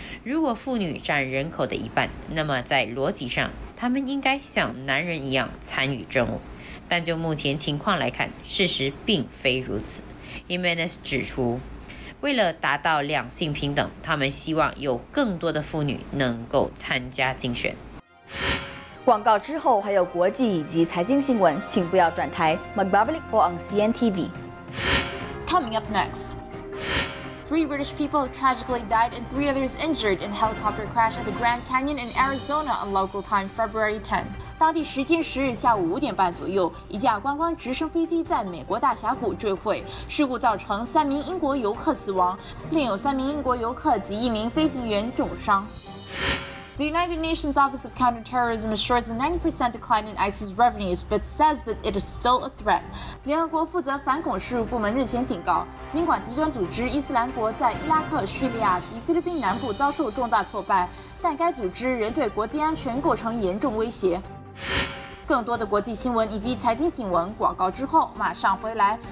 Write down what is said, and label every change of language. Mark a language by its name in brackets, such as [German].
[Chinese] 如果妇女占人口的一半，那么在逻辑上他们应该像男人一样参与政务，但就目前情况来看，事实并非如此。 Jimenez 指出，为了达到两性平等，他们希望有更多的妇女能够参加竞选。广告之后还有国际以及财经新闻，请不要转台。 [Filipino] Magbabalik po ang CNTV. [English] Coming up next, 3 British people tragically died and 3 others injured in helicopter crash at the Grand Canyon in Arizona on local time February 10. [Chinese] 当地时间10日下午5点半左右，一架观光直升飞机在美国大峡谷坠毁，事故造成3名英国游客死亡，另有3名英国游客及一名飞行员重伤。 [English] The United Nations Office of Counterterrorism assures a 90% decline in ISIS revenues, but says that it is still a threat. [Chinese] 联合国负责反恐事务部门日前警告，尽管极端组织伊斯兰国在伊拉克、叙利亚及菲律宾南部遭受重大挫败，但该组织仍对国际安全构成严重威胁。更多的国际新闻以及财经新闻，广告之后马上回来。